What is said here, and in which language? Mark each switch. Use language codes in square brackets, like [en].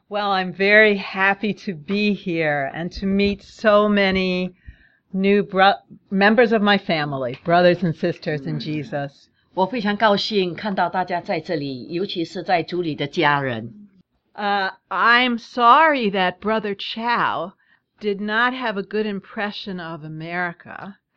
[en] Well, I'm very happy to be here and to meet so many new members of my family, brothers and sisters in Jesus. [zh] 我非常高兴看到大家在这里，尤其是在主里的家人。 [en] I'm sorry that Brother Chow did not have a good impression of America.